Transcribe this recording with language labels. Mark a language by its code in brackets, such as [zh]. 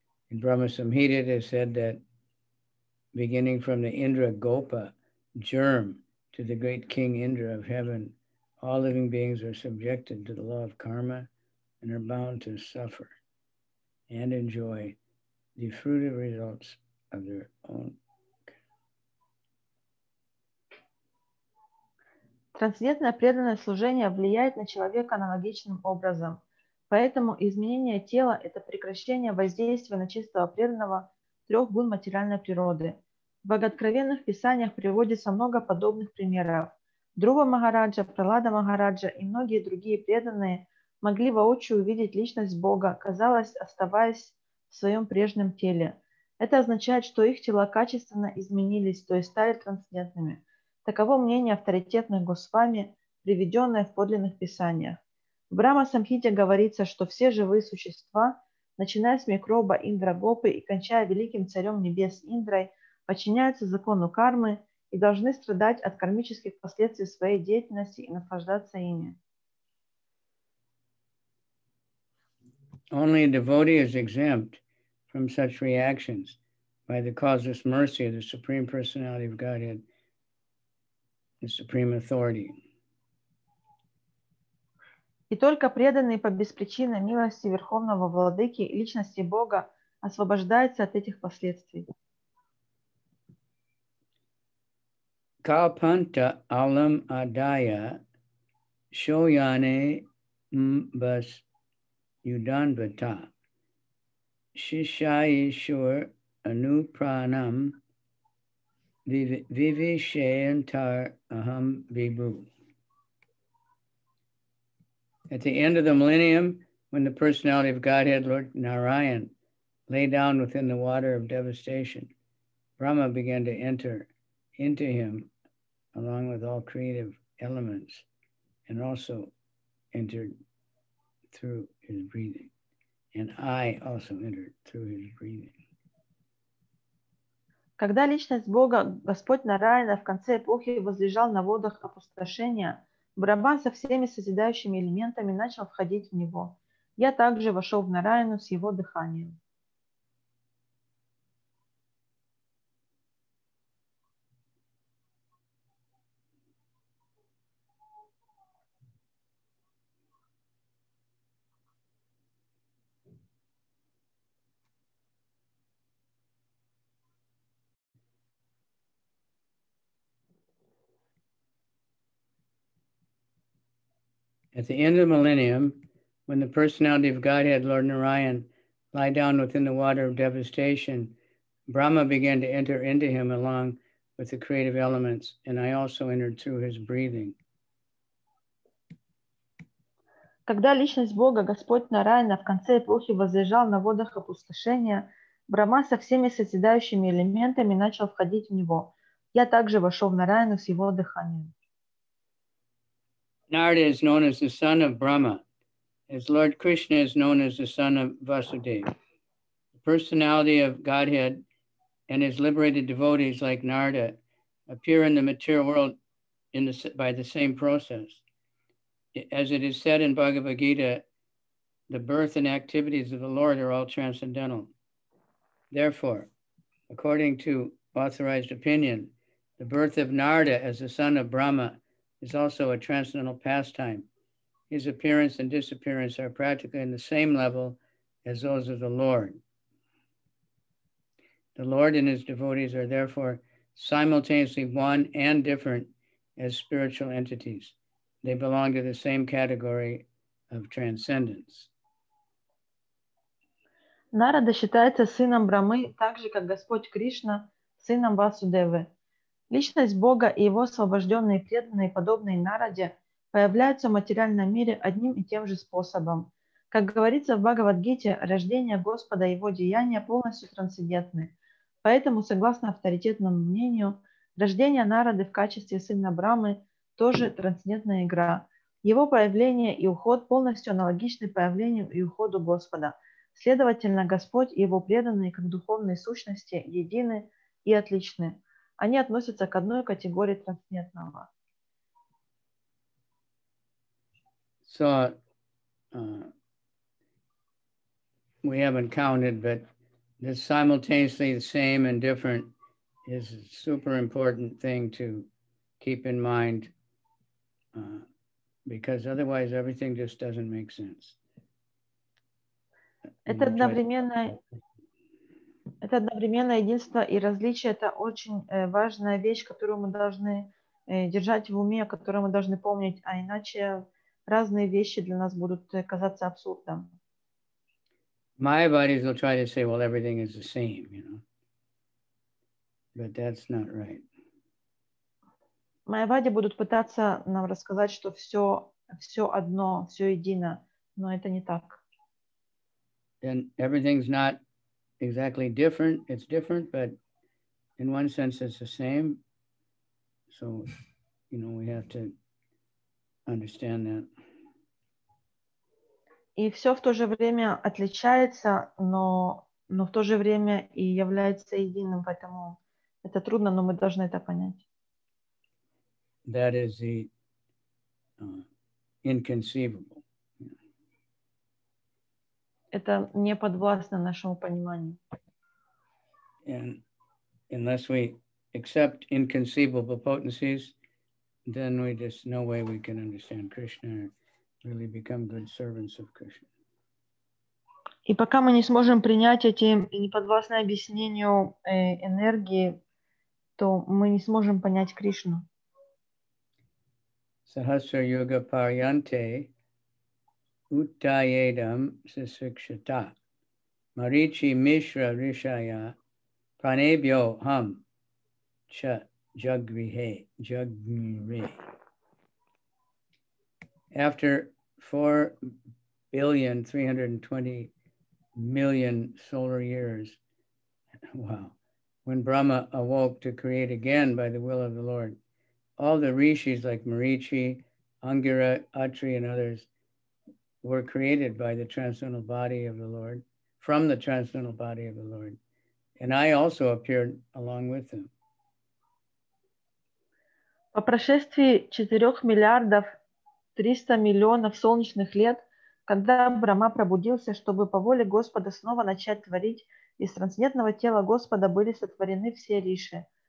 [en] In Brahma Samhita, it is said that beginning from the Indra Gopa germ to the great King Indra of heaven, all living beings are subjected to the law of karma and are bound to suffer and enjoy the fruited results of their own. [ru] Трансцендентное преданное служение влияет на человека аналогичным образом. Поэтому изменение тела – это прекращение воздействия на чистого преданного трех гун материальной природы. В богооткровенных писаниях приводится много подобных примеров. Друва Махараджа, Пралада Махараджа и многие другие преданные могли воочию увидеть личность Бога, казалось, оставаясь в своем прежнем теле. Это означает, что их тела качественно изменились, то есть стали трансцендентными. Таково мнение авторитетных госвами, приведенное в подлинных писаниях. В Брахма Самхите говорится, что все живые существа, начиная с микроба Индра Гопы и кончая великим царем небес Индрой, подчиняются закону кармы и должны страдать от кармических последствий своей деятельности и наслаждаться ими. [en] Only a devotee is exempt from such reactions by the causeless mercy of the Supreme Personality of Godhead, the Supreme Authority. [ru] И только преданный по беспричинной милости Верховного Владыки и Личности Бога освобождается от этих последствий. [sa] Калпанта алам адая шояне мбас юданбата шишайшур анупранам вивишеянтар ахам бибу. [en] At the end of the millennium, when the personality of Godhead, Lord Narayan, lay down within the water of devastation, Brahma began to enter into him along with all creative elements and also entered through his breathing. And I also entered through his breathing. [ru] Когда личность Бога, Господь Нараяна, в конце эпохи возлежал на водах опустошения, Брахма со всеми созидающими элементами начал входить в него. Я также вошел в Нараяну с его дыханием. [en] At the end of the millennium, when the personality of Godhead, Lord Narayan, lie down within the water of devastation, Brahma began to enter into him along with the creative elements, and I also entered through his breathing. [ru] Когда личность Бога, Господь Нарайана, в конце эпохи возлежал на водах опустошения, Брахма со всеми созидающими элементами начал входить в него. Я также вошел в Нарайану с его дыханием. [en] Narada is known as the son of Brahma, as Lord Krishna is known as the son of Vasudeva. The personality of Godhead and his liberated devotees like Narada appear in the material world in the, by the same process. As it is said in Bhagavad Gita, the birth and activities of the Lord are all transcendental. Therefore, according to authorized opinion, the birth of Narada as the son of Brahma is also a transcendental pastime. His appearance and disappearance are practically in the same level as those of the Lord. The Lord and his devotees are therefore simultaneously one and different as spiritual entities. They belong to the same category of transcendence. [ru] Нарада считается сыном Брамы, так же, как Господь Кришна, сыном Васудевы. Личность Бога и его освобожденные преданные, подобные Нараде, появляются в материальном мире одним и тем же способом. Как говорится в Бхагавадгите, рождение Господа и его деяния полностью трансцендентны. Поэтому, согласно авторитетному мнению, рождение Нарады в качестве сына Брамы тоже трансцендентная игра. Его появление и уход полностью аналогичны появлению и уходу Господа. Следовательно, Господь и его преданные как духовные сущности едины и отличны. Они относятся к одной категории трансцендентного. [en] So, we haven't counted, but this simultaneously the same and different is a super important thing to keep in mind. Because otherwise everything just doesn't make sense. [ru] Это одновременно единство и различие. Это очень важная вещь, которую мы должны держать в уме, которую мы должны помнить, а иначе разные вещи для нас будут казаться абсурдом. [en] Mayavadis will try to say, well, everything is the same, you know. But that's not right. [ru] Майавади будут пытаться нам рассказать, что все одно, все едино, но это не так. [en] Then everything's not exactly different. It's different, but in one sense it's the same. So, you know, we have to understand that. [ru] И все в то же время отличается, но в то же время и является единым, поэтому это трудно, но мы должны это понять. [en] That is the inconceivable. [ru] Это не подвластно нашему пониманию. [en] And unless we accept inconceivable potencies, then we just no way we can understand Krishna or really become good servants of Krishna. [ru] И пока мы не сможем принять эти неподвластные объяснению энергии, то мы не сможем понять Кришну. [sa] Sahasra Yuga Paryante Uttayedam Sisrikshita Marichi Mishra Rishaya Pranebyo Ham Cha Jagrihe Jagmire. [en] After 4,320,000,000 solar years, wow, when Brahma awoke to create again by the will of the Lord, all the rishis like Marichi, Angira, Atri, and others were created by the transcendental body of the Lord, from the transcendental body of the Lord. And I also appeared along with them. [ru] По прошествии 4,300,000,000 солнечных лет, когда Брахма пробудился, чтобы по воле Господа снова начать творить, из трансцендентного тела Господа были сотворены все риши.